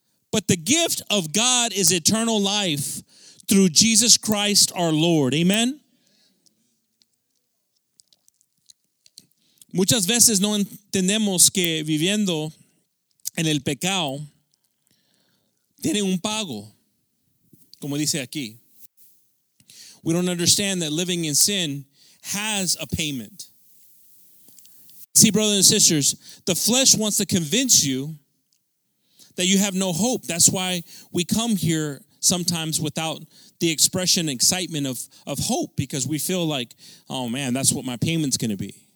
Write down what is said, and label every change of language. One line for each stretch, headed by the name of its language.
English: But the gift of God is eternal life through Jesus Christ our Lord. Amen?
Spanish: Muchas veces no entendemos que viviendo en el pecado tiene un pago, como dice aquí.
English: We don't understand that living in sin has a payment. See, brothers and sisters, the flesh wants to convince you that you have no hope. That's why we come here sometimes without the expression excitement of hope, because we feel like, oh man, that's what my payment's going to be.